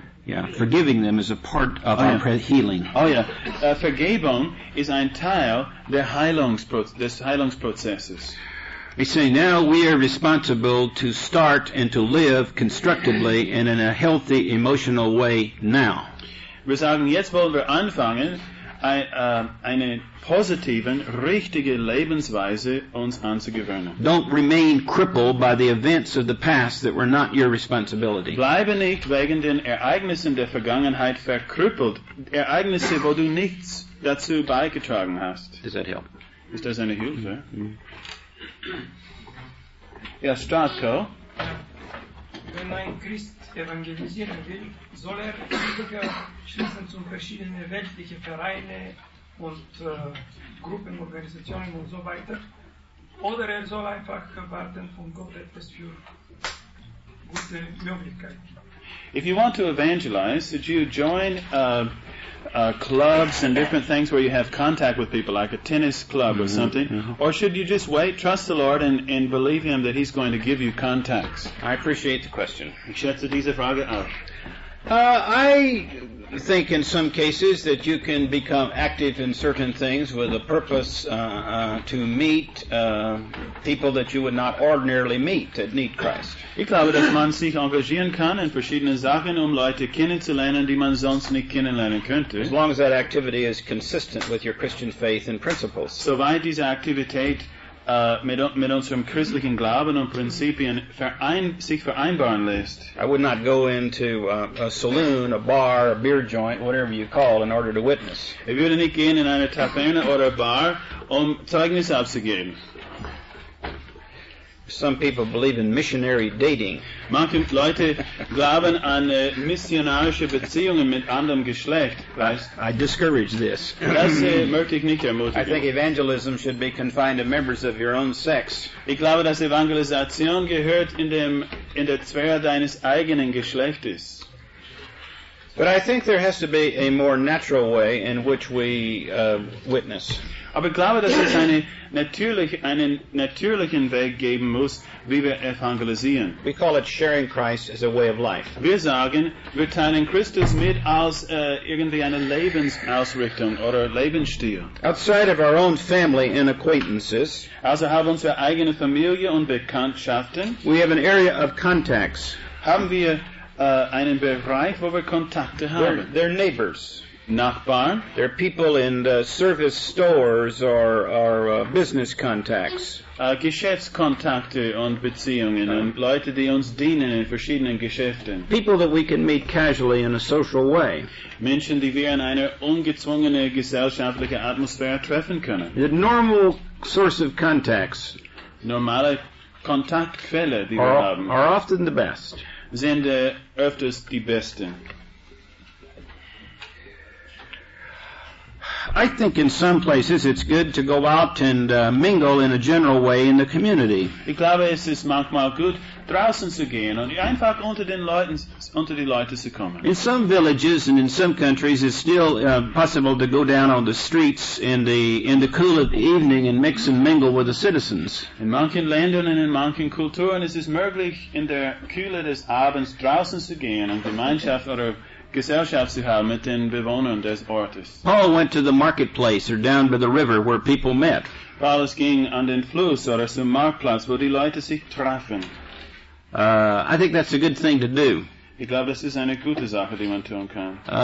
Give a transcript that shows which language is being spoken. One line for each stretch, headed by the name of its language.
English: Yeah, forgiving them is a part of our healing. Oh yeah,
German: Vergebung ist ein Teil des Heilungsprozesses.
English: He say now we are responsible to start and to live constructively and in a healthy emotional way now.
German: Wir sagen, jetzt wollen wir anfangen, eine positive, richtige Lebensweise uns anzugewöhnen.
English: Don't remain crippled by the events of the past that were not your responsibility.
German: Bleibe nicht wegen den Ereignissen der Vergangenheit verkrüppelt. Ereignisse, wo du nichts dazu beigetragen hast.
English: Does that help?
German: Ist das eine Hilfe? Ja, Stratko. Wenn ein Christ evangelisieren will, soll er Bücher schließen zu verschiedenen weltlichen Vereinen und Gruppen, Organisationen und so weiter? Oder er soll einfach warten von Gott etwas für gute Möglichkeiten?
English: If you want to evangelize, should you join clubs and different things where you have contact with people, like a tennis club or something? Mm-hmm. Or should you just wait, trust the Lord and believe Him that He's going to give you contacts? I appreciate the question.
German: Ich schätze diese Frage auch.
English: I think in some cases that you can become active in certain things with a purpose to meet people that you would not ordinarily meet that need Christ.
German: Ich glaube, dass man sich engagieren kann in verschiedenen Sachen, Leute kennenzulernen, die man sonst nicht kennenlernen könnte.
English: As long as that activity is consistent with your Christian faith and principles.
German: Soweit diese Aktivität mit unserem christlichen Glauben und Prinzipien sich vereinbaren lässt.
English: I would not go into a saloon, a bar, a beer joint, whatever you call, in order to witness.
German: Ich würde nicht gehen in eine Taverne oder Bar, Zeugnis abzugeben.
English: Some people believe in missionary dating.
German: Manche Leute glauben an missionarische Beziehungen mit anderem Geschlecht.
English: I discourage this.
German: Das möchte ich nicht ermutigen.
English: I think evangelism should be confined to members of your own sex.
German: Ich glaube, dass Evangelisation gehört in der Sphäre deines eigenen Geschlechtes.
English: But I think there has to be a more natural way in which we witness.
German: Aber ich glaube, dass es einen natürlichen Weg geben muss, wie wir evangelisieren.
English: We call it sharing Christ as a way of life.
German: Wir sagen, wir teilen Christus mit als irgendwie eine Lebensausrichtung oder Lebensstil.
English: Outside of our own family and acquaintances,
German: also haben unsere eigene Familie und Bekanntschaften,
English: we have an area of contacts.
German: Haben wir einen Bereich, wo wir Kontakte haben.
English: They're neighbors.
German: Nachbarn.
English: They're people in the service stores or business contacts.
German: Geschäftskontakte und Beziehungen und Leute, die uns dienen in verschiedenen Geschäften.
English: People that we can meet casually in a social way.
German: Menschen, die wir in einer ungezwungenen gesellschaftlichen Atmosphäre treffen können.
English: The normal source of contacts.
German: Normale Kontaktquelle, die wir haben.
English: Are often the best.
German: Sind öfters die besten.
English: I think in some places it's good to go out and mingle in a general way in the community.
German: Ich glaube, es ist manchmal gut, draußen zu gehen und einfach unter die Leute zu kommen.
English: In some villages and in some countries it's still possible to go down on the streets in the cool of the evening and mix and mingle with the citizens.
German: In manchen Ländern und in manchen Kulturen ist es möglich, in der Kühle des Abends draußen zu gehen und Gemeinschaft oder Gesellschaft zu haben mit den Bewohnern des Ortes.
English: Paul went to the marketplace or down by the river where people met.
German: Paulus ging an den Fluss oder zum Marktplatz, wo die Leute sich trafen.
English: I think that's a good thing to do.
German: Ich glaube, das ist eine gute Sache, die man tun kann.